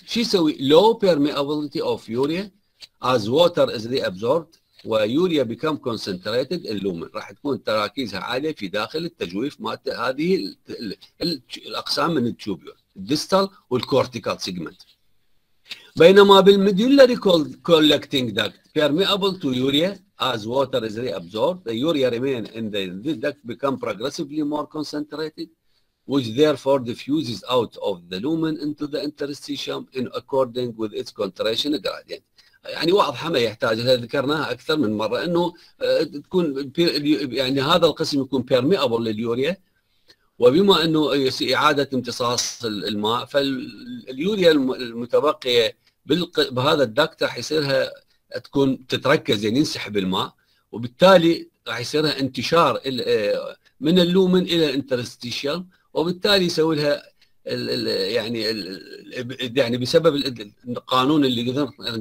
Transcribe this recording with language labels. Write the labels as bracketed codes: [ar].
[ar] شو يسوي؟ [en] low permeability of urea as water is reabsorbed ويوريا become concentrated in lumen. [ar] راح تكون تراكيزها عاليه في داخل التجويف مالت هذه الاقسام من التيوبيول، الديستال والكورتيكال سيجمنت. بينما بالميديولاري [en] collecting duct permeable to urea as water is reabsorbed the urea remain in the duct become progressively more concentrated which therefore diffuses out of the lumen into the interstitium in according with its concentration gradient. [ar] يعني واضحه ما يحتاج، ذكرناها اكثر من مره انه تكون يعني هذا القسم يكون بيرميابل لليوريا، وبما انه اعاده امتصاص الماء فاليوريا المتبقيه بهذا الدكت راح يصيرها تكون تتركز يعني ينسحب الماء، وبالتالي راح يصيرها انتشار من اللومن الى الانترستيشيال، وبالتالي يسوي لها يعني بسبب القانون اللي